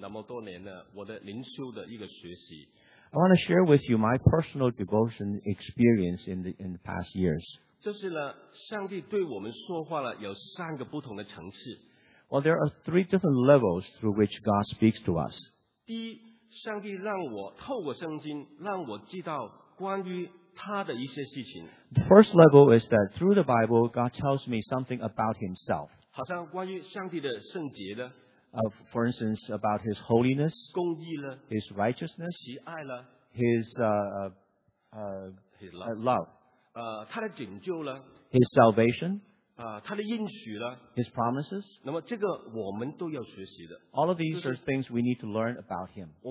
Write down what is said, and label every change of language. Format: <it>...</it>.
<zh>好，我先分享，在我过去那么多年呢，我的灵修的一个学习。</zh> <en>I want to share with you my personal devotion experience in the past years.</en> <zh>就是呢，上帝对我们说话了有三个不同的层次。</zh> <en>Well, there are three different levels through which God speaks to us.</en> <zh>第一，上帝让我透过圣经让我知道关于他的一些事情。</zh> <en>The first level is that through the Bible, God tells me something about Himself.</en> <zh>好像关于上帝的圣洁呢,</zh> <en>for instance, about His holiness,</en> <zh>公义呢,</zh> <en>His righteousness,</en> <zh>喜爱呢,</zh> <en>His love,</en> <zh>他的拯救呢,</zh> <en>His salvation,</en> <zh>他的应许呢,</zh> <en>His promises.</en> <zh>那么这个我们都要学习的,</zh> <en>all of these are things we need to learn about Him.</en>